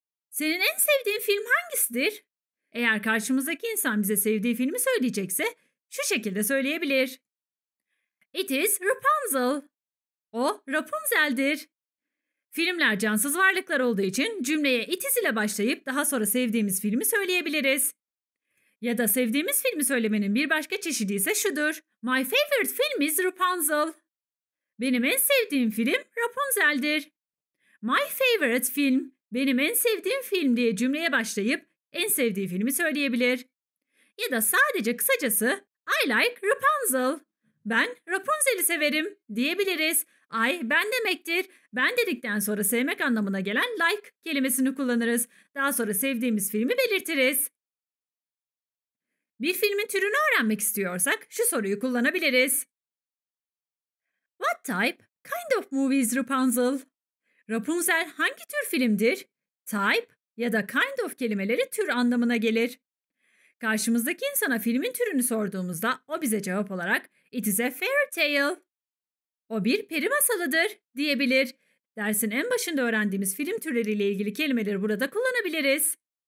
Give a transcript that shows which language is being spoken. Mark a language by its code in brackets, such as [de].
[tr] Senin en sevdiğin film hangisidir? Eğer karşımızdaki insan bize sevdiği filmi söyleyecekse şu şekilde söyleyebilir. [en] It is Rapunzel. [tr] O Rapunzel'dir. Filmler cansız varlıklar olduğu için cümleye [en] it is [tr] ile başlayıp daha sonra sevdiğimiz filmi söyleyebiliriz. Ya da sevdiğimiz filmi söylemenin bir başka çeşidi ise şudur. [en] My favorite film is Rapunzel. [tr] Benim en sevdiğim film Rapunzel'dir. [en] My favorite film, [tr] benim en sevdiğim film diye cümleye başlayıp en sevdiği filmi söyleyebilir. Ya da sadece kısacası [en] I like Rapunzel. [tr] Ben Rapunzel'i severim diyebiliriz. I ben demektir. Ben dedikten sonra sevmek anlamına gelen like kelimesini kullanırız. Daha sonra sevdiğimiz filmi belirtiriz. Bir filmin türünü öğrenmek istiyorsak şu soruyu kullanabiliriz. [en] What type, kind of movie is Rapunzel? [tr] Rapunzel hangi tür filmdir? Type ya da kind of kelimeleri tür anlamına gelir. Karşımızdaki insana filmin türünü sorduğumuzda o bize cevap olarak [en] It is a fairy tale. [tr] O bir peri masalıdır diyebilir. Dersin en başında öğrendiğimiz film türleriyle ilgili kelimeleri burada kullanabiliriz.